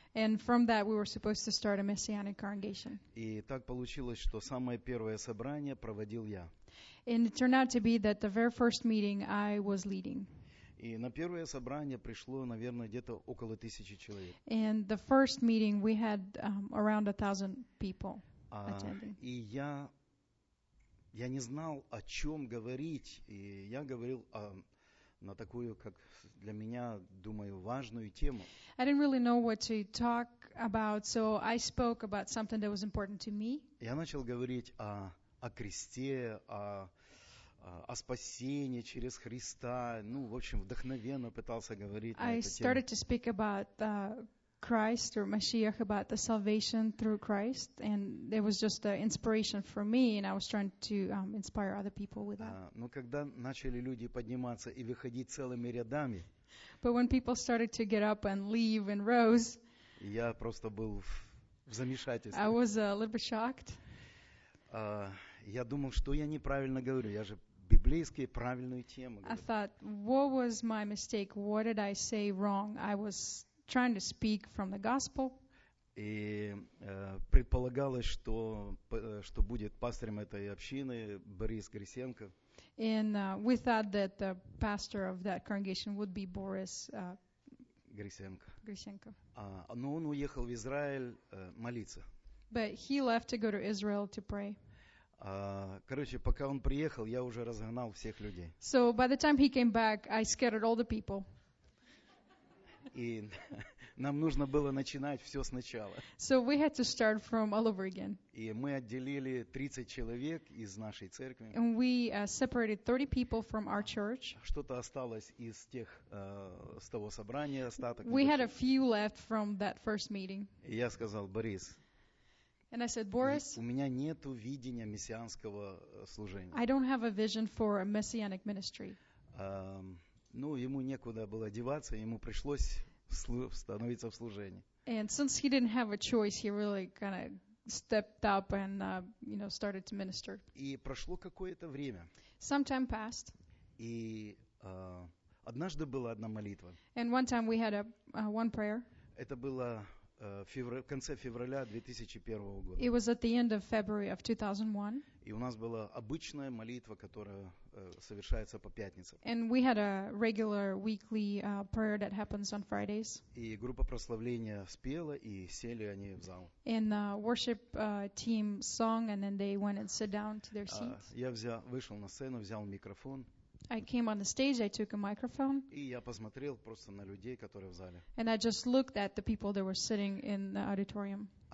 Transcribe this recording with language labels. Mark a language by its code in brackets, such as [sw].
[en] And from that we were supposed to start a messianic congregation. [ru] И так получилось, что самое первое собрание проводил я. [en] And it turned out to be that the very first meeting I was leading. [ru] И на первое собрание пришло, наверное, где-то около 1000 человек. [en] And the first meeting we had around 1000 people attending. [ru] И я не знал, о чем говорить, и я говорил о на такую, как для меня, думаю, важную тему. [en] I didn't really know what to talk about, so I spoke about something that was important to me. [ru] Я начал говорить о кресте, о спасении через Христа. Ну, в общем, вдохновенно пытался говорить на эту тему. [en] I started to speak about Christ or Mashiach, about the salvation through Christ, and it was just an inspiration for me, and I was trying to inspire other people with that. [ru] Но когда начали люди подниматься и выходить целыми рядами, [en] but when people started to get up and leave in rows, [ru] я просто был в замешательстве. [en] I was a little bit shocked. [ru] Я думал, что я неправильно говорю, я же библейские правильные темы. [en] I thought, what was my mistake? What did I say wrong? I was trying to speak from the gospel. [ru] И предполагалось, что будет пастором этой общины Борис Грисенко. [en] And we thought that the pastor of that congregation would be Boris [ru] Грисенко. Грисенко. Но он уехал в Израиль молиться. [en] But he left to go to Israel to pray. [ru] Короче, пока он приехал, я уже разогнал всех людей. [en] So by the time he came back, I scattered all the people. [ru] И нам нужно было начинать все сначала. [en] So we had to start from all over again. [ru] И мы отделили 30 человек из нашей церкви. [en] And we separated 30 people from our church. [ru] Что-то осталось из тех с того собрания, остаток. [en] We had a few left from that first meeting. [ru] И я сказал: Борис. [en] And I said, Boris, [ru] у меня нету видения мессианского служения. [en] I don't have a vision for a messianic ministry. [ru] Ну, ему некуда было деваться, ему пришлось становиться в служении. [en] And since he didn't have a choice, he really kind of stepped up and, you know, started to minister. [ru] И прошло какое-то время. [en] Some time passed. [ru] И однажды была одна молитва. [en] And one time we had one prayer. [ru] Это было в конце февраля 2001 года. [en] It was at the end of February of 2001. [ru] И у нас была обычная молитва, которая совершается по пятницам. [en] And we had a regular weekly prayer that happens on Fridays. [ru] И группа прославления спела, и сели они в зал. [en] And the worship team sang, and then they went and sat down to their seats. [ru] Я вышел на сцену, взял микрофон. [en] I came on the stage, I took a microphone. [ru] И я посмотрел просто на людей, которые в зале. [en] And I just looked at the people that were sitting in the auditorium.